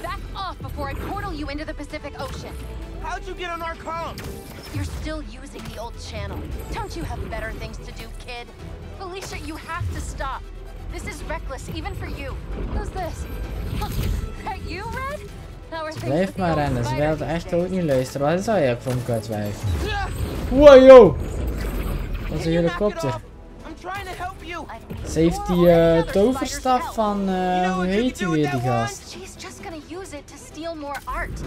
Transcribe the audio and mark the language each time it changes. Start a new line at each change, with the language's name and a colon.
English: Back off before I portal you into the Pacific Ocean! How'd you get on our comm? You're still using the old channel. Don't you have better things to do, kid? Felicia, you have to stop. This is reckless, even for you. Who's this? That you, Red? How are things with the old spider?
Dutch: Ze wilde echt ook niet luisteren. Wat is dat eigenlijk voor een kutwijf? Wow, yo! Dat is een helikopter.
English: I'm trying to help you.
Dutch: Ze heeft die toverstaf van... hoe heet die weer, die gast?
English: She's just gonna use it to steal more art.